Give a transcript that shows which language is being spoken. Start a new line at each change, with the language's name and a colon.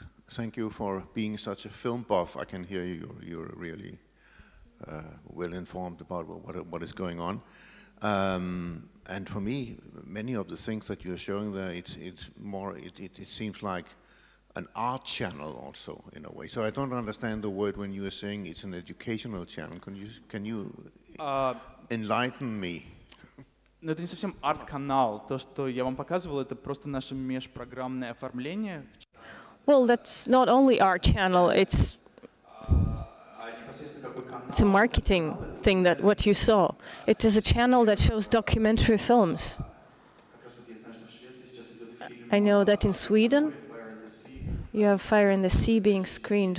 English: Thank you for being such a film buff. I can hear you. You're really well informed about what is going on. And for me, many of the things that you're showing there, it seems like an art channel also in a way. So I don't understand the word when you are saying it's an educational channel. Can you enlighten me?
Russian: Но это не совсем арт канал. То, что я вам показывал, это просто наше межпрограммное оформление.
English: Well, that's not only our channel. It's a marketing thing that what you saw. It is a channel that shows documentary films. I know that in Sweden, you have Fire in the Sea being screened.